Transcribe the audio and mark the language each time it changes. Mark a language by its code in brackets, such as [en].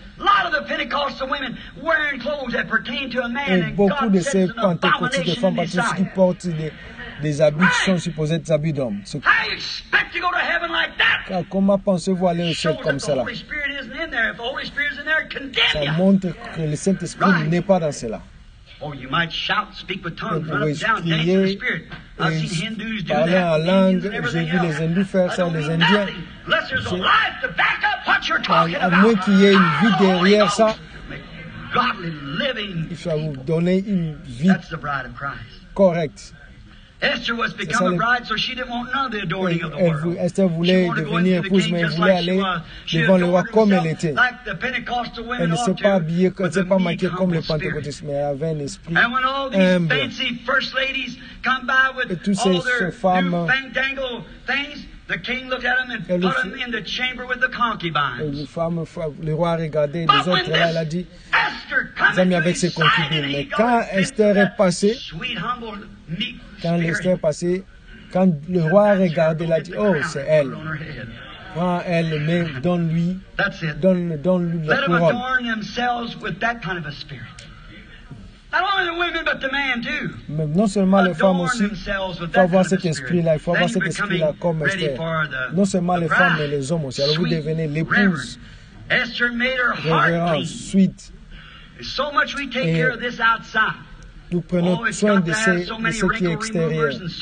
[en] A lot of the Pentecostal women wearing clothes that pertain to a man. [fr] Et beaucoup de ces pentecôtistes, de femmes baptistes qui portent des habits qui sont supposés être habits d'hommes. [en] How you expect to go to heaven like that? [fr] Comment pensez-vous aller au ciel comme cela? [en] The Holy Spirit isn't in there. If the Holy Spirit isn't there, condemn you. [fr] Ça montre que le Saint-Esprit n'est pas dans cela. [en] Oh, you might shout, speak with tongues, run up and down, dance in the Spirit. I've seen Hindus do that. [fr] Parler en langue, j'ai vu les Hindous faire ça, les Indiens. [en] Unless there's a life to back up what you're talking about. [fr] À moins qu'il y ait une vie derrière ça, [en] godly living. [fr] Il faut vous donner une vie. [en] That's the bride of Christ. Correct. Esther was become a bride, so she didn't want none of the adoring of the world. [fr] Esther voulait devenir épouse, mais elle voulait aller devant le roi comme elle était. Elle ne s'est pas habillée, elle ne s'est pas maquillée comme les pentecôtistes, mais elle avait un esprit humble. [en] And when all these fancy first ladies come by with all their [fr] femmes, [en] new fangdangle things, the king looked at them and put them in the chamber with the concubines. [fr] Et les femmes, le roi a regardé les autres, là, elle a dit, les amis avec ses concubines. Mais quand Esther est passée, [en] sweet, humble, meek, [fr] quand Esther est passée, quand le roi a regardé, il a dit, oh, c'est elle. Prends elle, mais donne-lui, donne-lui la couronne. [en] Let them adorn themselves with that kind of a spirit. Not only the women, but the man too. [fr] Mais non seulement les femmes aussi, il faut avoir cet esprit-là, il faut avoir cet esprit-là comme Esther. Non seulement les femmes, mais les hommes aussi. Alors vous devenez l'épouse. [en] Esther made her heart clean. [fr] Suite. [en] So much we take care of this outside. [fr] Nous prenons soin de ce qui est extérieur.